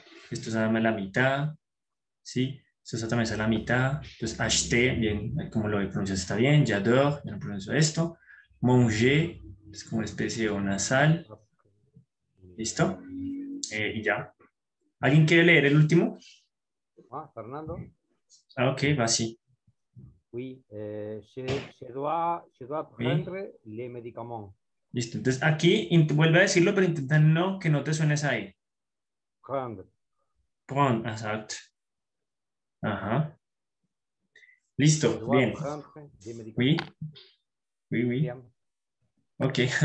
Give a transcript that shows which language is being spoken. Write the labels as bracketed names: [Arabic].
[Spanish] Esto es además la mitad. ¿Sí? Esto también es a la mitad. Entonces, acheter, bien, como lo pronuncias, está bien. J'adore, yo no pronuncio esto. Manger, es como una especie de nasal. ¿Listo? Y ya. ¿Alguien quiere leer el último? Ah, Fernando. [French] Ah, ok, bah si. Oui, je dois prendre les médicaments. [Spanish] Listo, entonces aquí vuelve a decirlo, pero intenta no que no te suene esa E. [French] Prendre. [Spanish] Prendre, exacto. Ajá. Listo, bien. [French] Oui. Oui, oui. [Spanish] Ok.